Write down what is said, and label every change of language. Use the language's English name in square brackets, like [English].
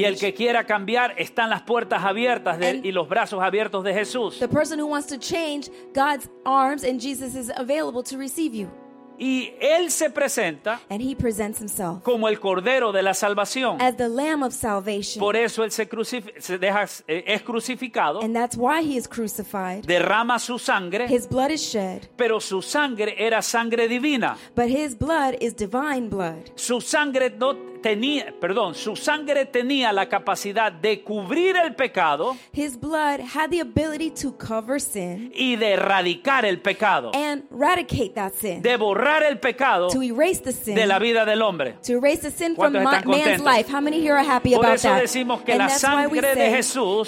[Spanish] Y el que quiera cambiar, están las puertas abiertas de, y los brazos abiertos de Jesús. [English] The person who wants to change, God's arms and Jesus is available to receive you. [Spanish] Y él se presenta, [English] and he presents himself, [Spanish] como el cordero de la salvación, [English] as the lamb of salvation. [Spanish] Por eso él es crucificado, [English] and that's why he is crucified. [Spanish] Derrama su sangre, [English] his blood is shed, [Spanish] pero su sangre era sangre divina. [English] But his blood is divine blood. [Spanish] Su sangre no tenía, perdón, su sangre tenía la capacidad de cubrir el pecado, [English] his blood had the ability to cover sin, [Spanish] y de erradicar el pecado, [English] and eradicate that sin, [Spanish] de borrar el pecado, [English] to erase the sin, [Spanish] de la vida del hombre. [English] To erase the sin from man's life. How many here are happy about that? [Spanish] Por eso decimos que la sangre de Jesús,